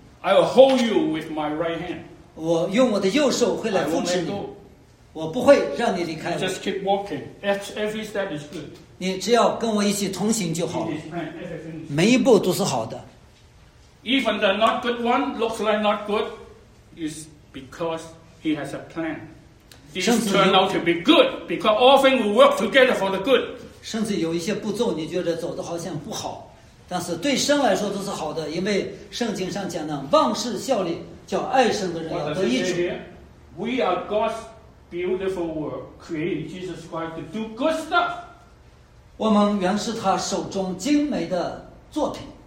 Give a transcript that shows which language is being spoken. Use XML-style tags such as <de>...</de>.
<en>I will hold you with my right hand.</en> <zh>我用我的右手会来扶持你。我不会让你离开。</zh> <en>Just keep walking. Every step is good.</en> <zh>你只要跟我一起同行就好。每一步都是好的。</zh> <en>Even the not good one looks like not good, is because he has a plan. This turned out to be good because all things will work together for the good.</en> <zh>甚至有一些步骤你觉得走得好像不好，但是对神来说都是好的，因为圣经上讲的万事效力，叫爱神的人要得益处。</zh> <en>We are God's. Beautiful work, created Jesus Christ to do good stuff.</en> <zh>我们原是他手中精美的作品。</zh>